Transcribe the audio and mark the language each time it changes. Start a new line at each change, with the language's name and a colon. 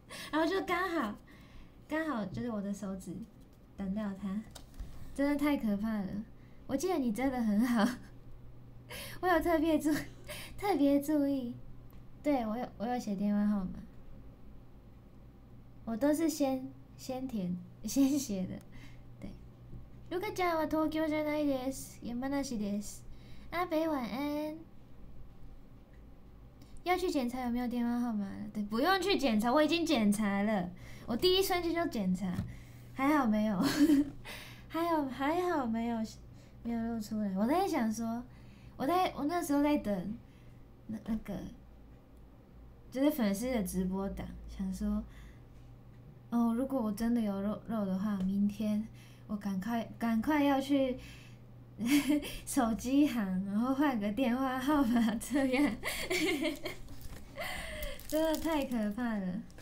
Chinese: 然后就刚好就是我的手指挡到它，真的太可怕了。我记得你真的很好，我有特别注意，对，我有写电话号码，我都是先写的，对。
Japanese: ルカちゃんは東京じゃないです。山梨です。
Chinese: 阿北晚安。要去检查有没有电话号码？对，不用去检查，我已经检查了，我第一瞬间就检查，还好没有，还好没有。没有露出来，我在想说，我那时候在等那个，就是粉丝的直播档，想说，哦，如果我真的有露的话，明天我赶快要去手机行，然后换个电话号码，这样，真的太可怕了。